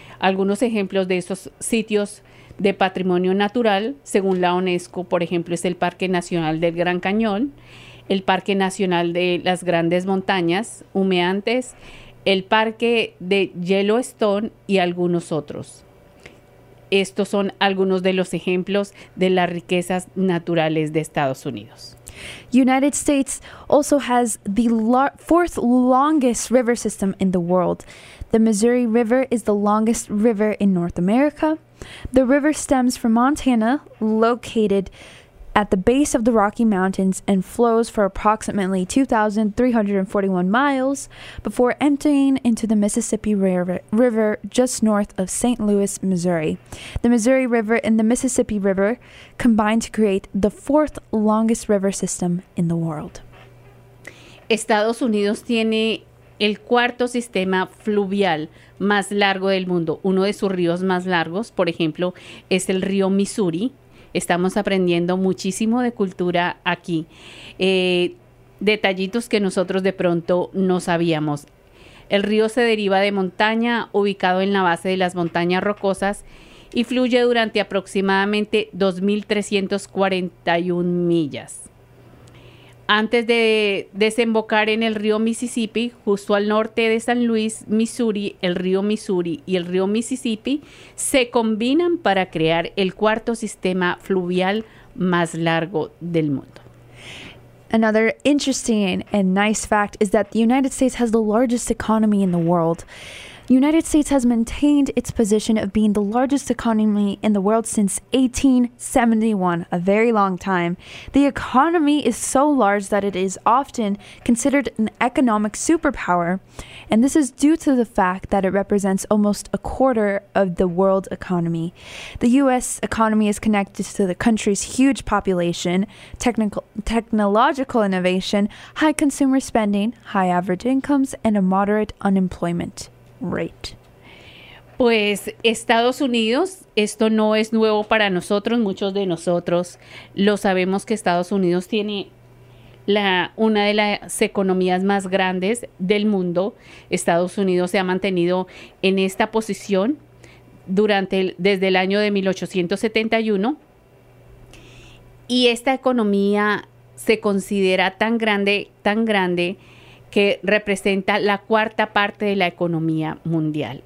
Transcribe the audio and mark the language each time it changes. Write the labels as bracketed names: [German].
[Spanish] Algunos ejemplos de esos sitios de patrimonio natural, según la UNESCO, por ejemplo, es el Parque Nacional del Gran Cañón, el Parque Nacional de las Grandes Montañas Humeantes, el Parque de Yellowstone y algunos otros. Estos son algunos de los ejemplos de las riquezas naturales de Estados Unidos. [English] United States also has the fourth longest river system in the world. The Missouri River is the longest river in North America. The river stems from Montana, located at the base of the Rocky Mountains, and flows for approximately 2,341 miles before emptying into the Mississippi River just north of St. Louis, Missouri. The Missouri River and the Mississippi River combine to create the fourth longest river system in the world. [Spanish] Estados Unidos tiene el cuarto sistema fluvial más largo del mundo. Uno de sus ríos más largos, por ejemplo, es el río Missouri. Estamos aprendiendo muchísimo de cultura aquí. Detallitos que nosotros de pronto no sabíamos. El río se deriva de montaña, ubicado en la base de las montañas rocosas, y fluye durante aproximadamente 2,341 millas. Antes de desembocar en el río Mississippi, justo al norte de San Luis, Missouri, el río Missouri y el río Mississippi se combinan para crear el cuarto sistema fluvial más largo del mundo. [English] Another interesting and nice fact is that the United States has the largest economy in the world. United States has maintained its position of being the largest economy in the world since 1871, a very long time. The economy is so large that it is often considered an economic superpower, and this is due to the fact that it represents almost a quarter of the world economy. The U.S. economy is connected to the country's huge population, technological innovation, high consumer spending, high average incomes, and a moderate unemployment. Right. [Spanish] Pues Estados Unidos, esto no es nuevo para nosotros, muchos de nosotros lo sabemos que Estados Unidos tiene una de las economías más grandes del mundo. Estados Unidos se ha mantenido en esta posición desde el año de 1871 y esta economía se considera tan grande que representa la cuarta parte de la economía mundial.